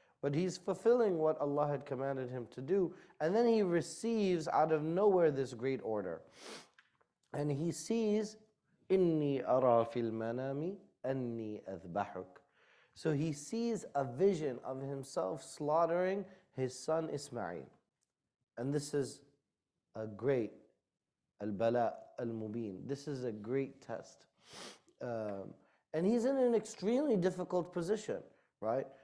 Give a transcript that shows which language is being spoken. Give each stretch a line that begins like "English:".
English: But he's fulfilling what Allah had commanded him to do. And then he receives out of nowhere this great order. And he sees,
Arabic: إِنِّي أَرَى فِي الْمَنَامِ أَنِّي أَذْبَحُكَ.
English: So he sees a vision of himself slaughtering his son Ismail. And this is a great al-bala al-mubin. This is a great test. And he's in an extremely difficult position, right?